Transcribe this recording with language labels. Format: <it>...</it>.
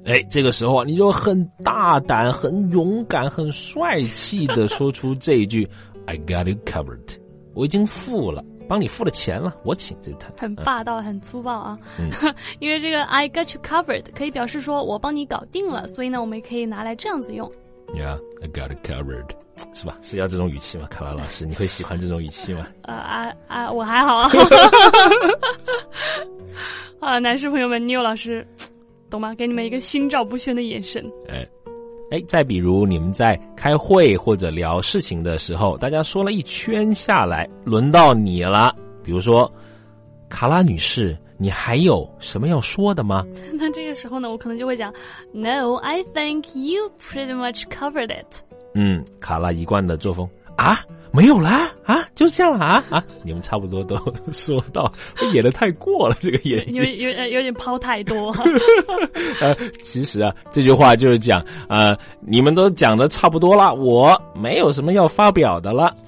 <zh>哎，这个时候你就很大胆、很勇敢、很帅气的说出这一句</zh> <en>"I got you covered"，</en> <zh>我已经付了。帮你付了钱了，我请这餐。很霸道，很粗暴啊！因为这个</zh> <en>"I got you covered"</en> <zh>可以表示说我帮你搞定了，所以呢，我们也可以拿来这样子用。</zh> <en>Yeah, I got it covered，</en> <zh>是吧？是要这种语气吗？卡拉老师，你会喜欢这种语气吗？我还好。啊，男士朋友们，妞老师，懂吗？给你们一个心照不宣的眼神。哎，再比如你们在开会或者聊事情的时候，大家说了一圈下来，轮到你了。比如说，卡拉女士，你还有什么要说的吗？那这个时候呢，我可能就会讲 ，</zh> <en>No, I think you pretty much covered it。</en> <zh>嗯，卡拉一贯的作风啊，没有啦啊，就是这样了啊啊，你们差不多都说到，演得太过了，这个演技有点抛太多。其实啊，这句话就是讲你们都讲得差不多了，我没有什么要发表的了。</zh>